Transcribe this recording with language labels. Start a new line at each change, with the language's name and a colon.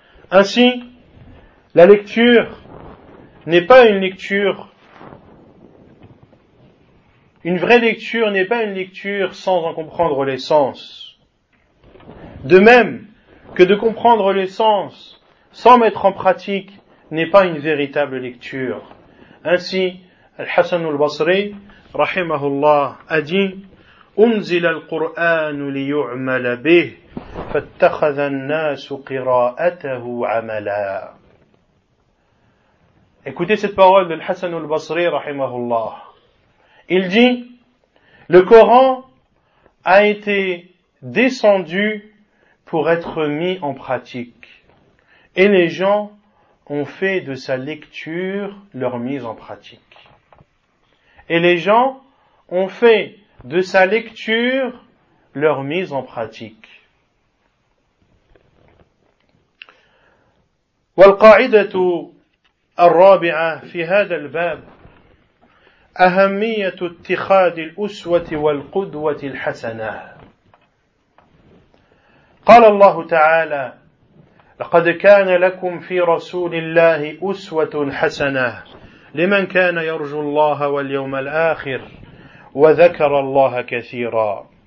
French: Ainsi, la lecture n'est pas une lecture. Une vraie lecture n'est pas une lecture sans en comprendre les sens. De même que de comprendre les sens sans mettre en pratique n'est pas une véritable lecture. Ainsi,
Arabic: الحسن البصري رحمه الله أدين أنزل القرآن ليعمل به فاتخذ الناس قراءته عملا.
French: Écoutez cette parole de الحسن البصري رحمه الله. Il dit, le Coran a été descendu pour être mis en pratique. Et les gens ont fait de sa lecture leur mise en pratique. Et les gens ont fait de sa lecture leur mise en pratique.
Arabic: والقاعدة الرابعة في هذا الباب أهمية اتخاذ الأسوة والقدوة الحسنة. قال الله تعالى لقد كان لكم في رسول الله أسوة حسنة لمن كان يرجو الله واليوم الآخر وذكر الله كثيرا.